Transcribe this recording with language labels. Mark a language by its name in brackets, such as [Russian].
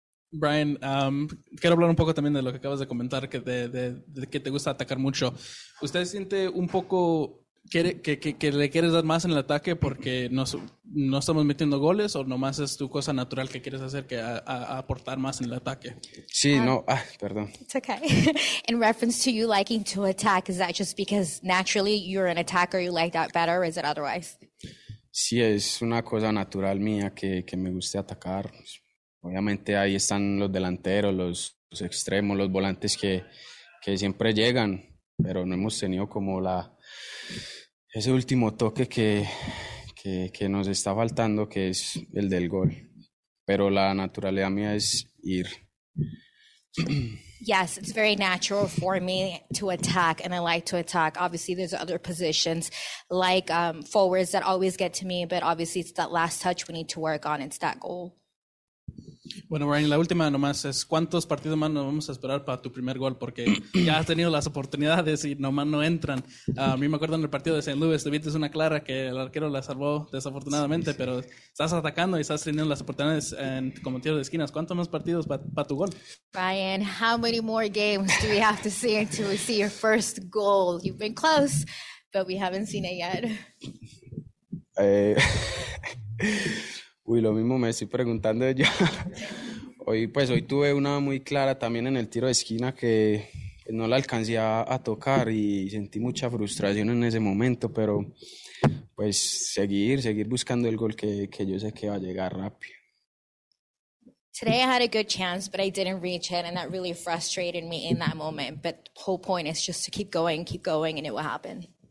[Spanish] Brian, quiero hablar un poco también de lo que acabas de comentar, que de que te gusta atacar mucho. ¿Usted siente un poco... ¿Que le quieres dar más en el ataque porque no estamos metiendo goles o nomás es tu cosa natural que quieres hacer, que aportar más en el ataque? Sí, no. Ah, perdón. [English] It's okay. In reference to you liking to attack, is that just because naturally you're an attacker, you like that better, or is it otherwise? [Spanish] Sí, es una cosa natural mía que me guste atacar. Obviamente ahí están los delanteros, los extremos, los volantes que siempre llegan, pero no hemos tenido como la... ese último toque que nos está faltando, que es el del gol. Pero la naturalidad mía es ir. [English] Yes, it's very natural for me to attack, and I like to attack. Obviously, there's other positions, like forwards, that always get to me, but obviously it's that last touch we need to work on. It's that goal. [Spanish] Bueno, Brian, la última nomás es, ¿cuántos partidos más nos vamos a esperar para tu primer gol? Porque ya has tenido las oportunidades y nomás no entran. A mí me acuerdo en el partido de St. Louis, tuviste una clara que el arquero la salvó desafortunadamente, sí, sí. Pero estás atacando y estás teniendo las oportunidades en, como tiro de esquinas. ¿Cuántos más partidos para tu gol? [English] Brian, how many more games do we have to see until we see your first goal? You've been close, but we haven't seen it yet. [Spanish] Uy, lo mismo me estoy preguntando yo. Hoy tuve una muy clara también en el tiro de esquina que no la alcancé a tocar y sentí mucha frustración en ese momento, pero pues seguir buscando el gol que yo sé que va a llegar rápido. [English] Today I had a good chance, but I didn't reach it, and that really frustrated me in that moment. But the whole point is just to keep going, and it will happen.